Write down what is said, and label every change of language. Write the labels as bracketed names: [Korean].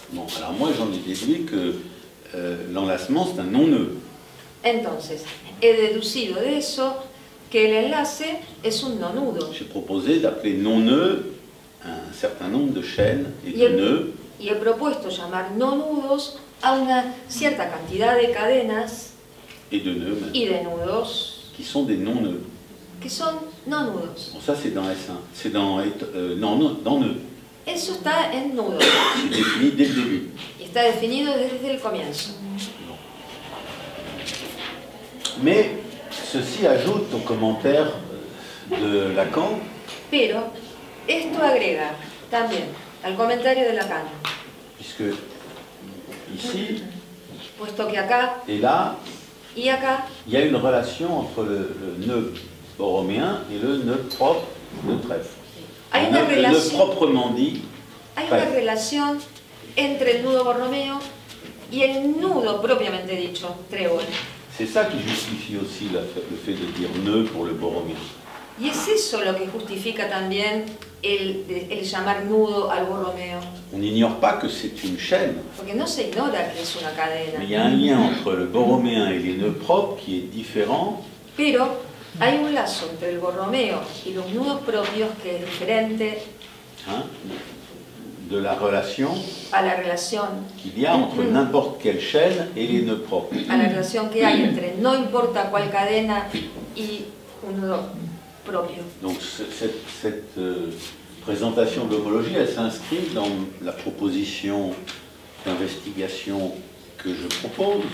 [French] Bon, alors moi j'en ai déduit que l'enlacement c'est un non-nœud. [Spanish] Entonces he deducido de eso que el enlace es un no nudo. [French] J'ai proposé d'appeler non-nœud un certain nombre de chaînes et de nœuds. [Spanish] Y he propuesto llamar no nudos a una cierta cantidad de cadenas [French] et de nœuds même, [Spanish] y de nudos [French] qui sont des non-nœuds. [Spanish] Que son non-nudos. [French] Bon, ça c'est dans S1. C'est dans dans nœuds. [Spanish] Eso está en nudos. [French] C'est défini dès le début. [Spanish] Y está definido desde el comienzo. [French] Bon. Mais ceci ajoute au commentaire de Lacan. [Spanish] Pero esto agrega también al comentario de Lacan. [French] Puisque ici, [Spanish] puesto que acá, [French] et là, [Spanish] y acá, [French] il y a une relation entre le nœud borroméen et le nœud propre de trèfle. [Spanish] Hay una relación, [French] le nœud proprement dit, [Spanish] hay una relación entre el nudo borromeo y el nudo propiamente dicho, trébol. [French] C'est ça qui justifie aussi le fait de dire nœud pour le borroméen. [Spanish] Y es eso lo que justifica también el llamar nudo al borromeo. [French] On n'ignore pas que c'est une chaîne. [Spanish] Porque no se ignora que es una cadena. [French] Mais il y a un lien entre le borroméen et les nœuds propres qui est différent. [Spanish] Pero hay un lazo entre el borromeo y los nudos propios que es diferente. [French] Hein? De la relation. [Spanish] A la relación. [French] Qu'il y a entre n'importe quelle chaîne et les nœuds propres. [Spanish] A la relación que hay entre no importa cuál cadena y un nudo. [French] Donc cette présentation de l'homologie, elle s'inscrit dans la proposition d'investigation que je propose.